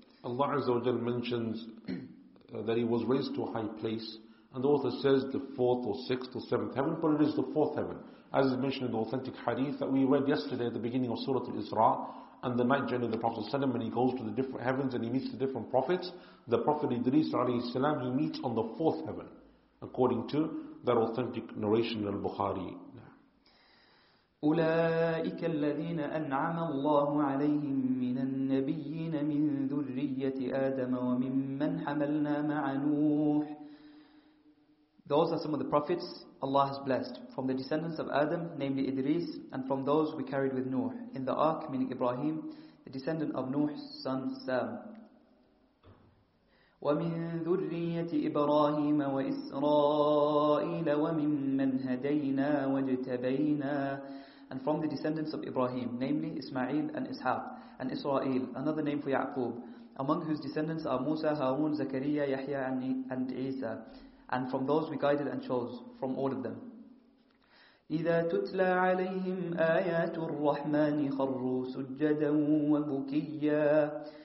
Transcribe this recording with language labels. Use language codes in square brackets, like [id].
[en] Allah Azza wa Jal mentions that he was raised to a high place, and the author says the 4th or 6th or 7th heaven, but it is the 4th heaven, as is mentioned in the authentic hadith that we read yesterday at the beginning of Surah Al-Isra, and the night journey of the Prophet ﷺ, when he goes to the different heavens and he meets the different prophets. The Prophet Idris ﷺ, he meets on the 4th heaven, according to that authentic narration in Al-Bukhari. [ar] أولئك الذين أنعم الله عليهم من النبيين من ذرية آدم وممن حملنا مع نوح. [en] Those are some of the prophets Allah has blessed from the descendants of Adam, namely Idris, and from those we carried with Nuh in the ark, meaning Ibrahim, the descendant of Nuh's son Sam. [ar] ومن ذرية إبراهيم وإسرائيل وممن هدينا واجتبينا. [en] And from the descendants of Ibrahim, namely Ismail and Ishaq, and Israel, another name for Ya'qub, among whose descendants are Musa, Harun, Zakariya, Yahya, and Isa. And from those we guided and chose, from all of them. [ar] إِذَا تُتْلَى عَلَيْهِمْ آيَاتُ الرَّحْمَنِ خَرُّوا سُجَّدًا وَبُكِيًّا.